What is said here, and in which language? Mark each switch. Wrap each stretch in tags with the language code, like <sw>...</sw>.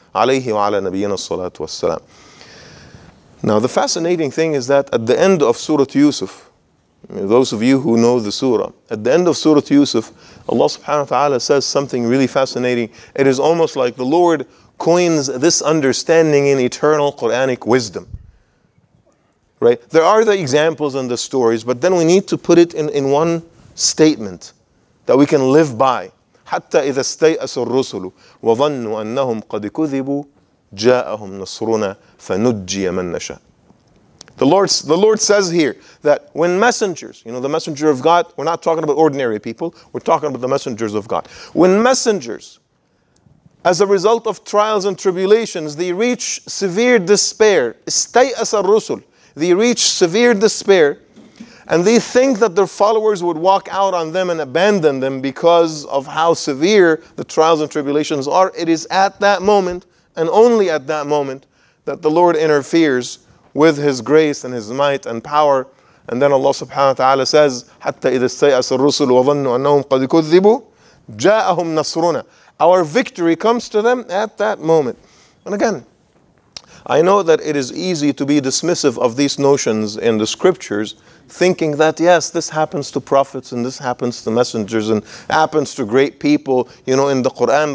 <ar>Alayhi wa ala nabiyyina salatu wassalam.</ar> <en>Now the fascinating thing is that at the end of Surah Yusuf, those of you who know the surah, at the end of Surah Yusuf, Allah subhanahu wa ta'ala says something really fascinating. It is almost like the Lord coins this understanding in eternal Quranic wisdom. Right? There are the examples and the stories, but then we need to put it in one statement that we can live by.</en> <ar>حتى إذا استيأس الرسل وظنوا أنهم قد كذبوا جاءهم نصرنا فنجي من نشاء.</ar> <en>The Lord says here that when messengers, you know, the messenger of God, we're not talking about ordinary people, we're talking about the messengers of God. When messengers, as a result of trials and tribulations, they reach severe despair.</en> <ar>استيأس الرسل.</ar> <en>They reach severe despair. And they think that their followers would walk out on them and abandon them because of how severe the trials and tribulations are. It is at that moment, and only at that moment, that the Lord interferes with His grace and His might and power. And then Allah subhanahu wa ta'ala says,</en> <ar>حَتَّى إِذَا اسْتَيْأَسَ الرُّسُلُ وَظَنُّوا أَنَّهُمْ قَدْ كُذِّبُوا جَاءَهُمْ نَصْرُنَا.</ar> <en>Our victory comes to them at that moment. And again, I know that it is easy to be dismissive of these notions in the scriptures, thinking that, yes, this happens to prophets and this happens to messengers and happens to great people, you know, in the Quran.</en>